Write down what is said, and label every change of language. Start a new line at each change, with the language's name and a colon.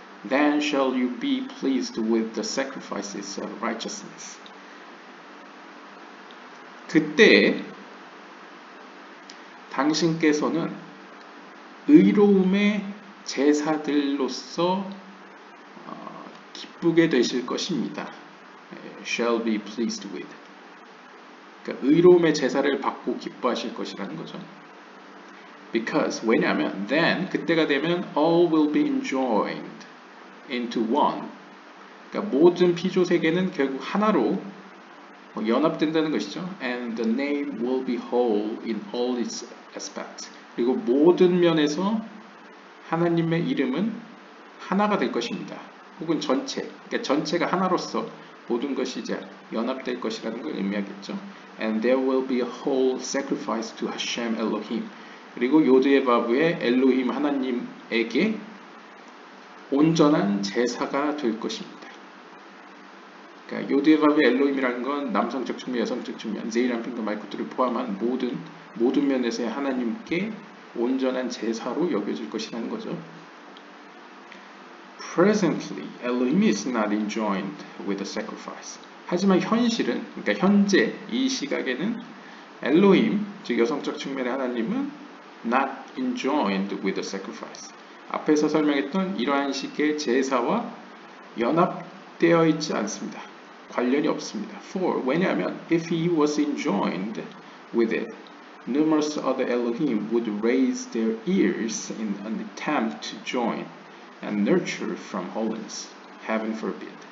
English: Then shall you be pleased with the sacrifices of righteousness.
Korean: 그때 당신께서는 의로움의 제사들로서 기쁘게 되실 것입니다.
English: Shall be pleased with.
Korean: 그러니까 의로움의 제사를 받고 기뻐하실 것이라는 거죠.
English: Because,
Korean: 왜냐하면,
English: then,
Korean: 그때가 되면
English: all will be enjoined into one.
Korean: 그러니까 그러니까 모든 피조 세계는 결국 하나로 연합된다는 것이죠.
English: And the name will be whole in all its aspects.
Korean: 그리고 모든 면에서 하나님의 이름은 하나가 될 것입니다. 혹은 전체. 그러니까 전체가 하나로서 모든 것이 이제 연합될 것이라는 걸 의미하겠죠.
English: And there will be a whole sacrifice to Hashem Elohim.
Korean: 그리고 요드에바브의 엘로힘 하나님에게 온전한 제사가 될 것입니다. 그러니까 요드에바브 엘로힘이라는 건 남성적 측면, 여성적 측면, 제이람핑과 말코트를 포함한 모든 면에서의 하나님께 온전한 제사로 여겨질 것이라는 거죠.
English: Presently, Elohim is not enjoined with a sacrifice.
Korean: 하지만 현실은, 그러니까 현재 이 시각에는 엘로힘, 즉 여성적 측면의 하나님은
English: not enjoined with a sacrifice.
Korean: 앞에서 설명했던 이러한 식의 제사와 연합되어 있지 않습니다. 관련이 없습니다.
English: For,
Korean: 왜냐하면
English: if he was enjoined with it, numerous other Elohim would raise their ears in an attempt to join and nurture from holiness, heaven forbid.